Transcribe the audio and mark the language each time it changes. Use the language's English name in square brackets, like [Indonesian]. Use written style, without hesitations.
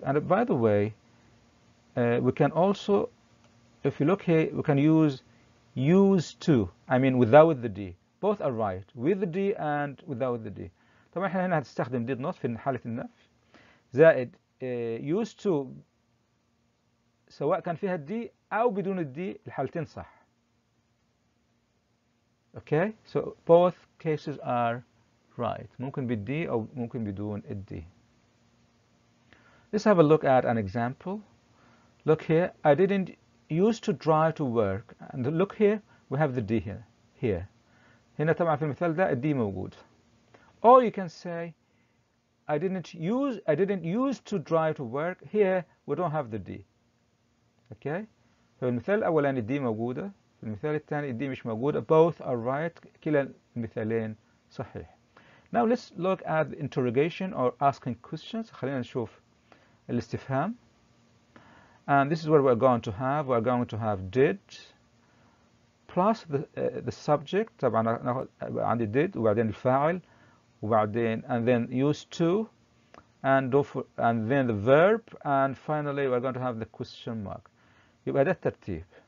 [English] And by the way, we can also, if you look here, we can use used to, I mean without the D. Both are right, with the D and without the D. [Arabic] طبعا احنا هنا هنستخدم did not في حالة النفي زائد used to سواء كان فيها الدي أو بدون الدي الحالتين صح. [English] Okay, so both cases are right. [Arabic] ممكن بالدي أو ممكن بدون الدي. [English] Let's have a look at an example. Look here, I didn't used to drive to work. And look here, we have the D here. Here. [Arabic] هنا طبعا في المثال ده الدي موجود. [English] Or you can say, I didn't use to drive to work. Here, we don't have the D. Okay? [Arabic] في المثال الأولاني الدي موجودة. في المثال الثاني الدي مش موجودة. [English] Both are right. [Arabic] كلا المثالين صحيح. [English] Now let's look at the interrogation or asking questions. [Arabic] خلينا نشوف الاستفهام. [English] And this is what we're going to have. We're going to have did plus the subject. [Arabic] طبعا عندي [English] did [Arabic] وبعدين الفاعل وبعدين [English] and then used to and then the verb and finally we're going to have the question mark. [Arabic] يبقى ده الترتيب.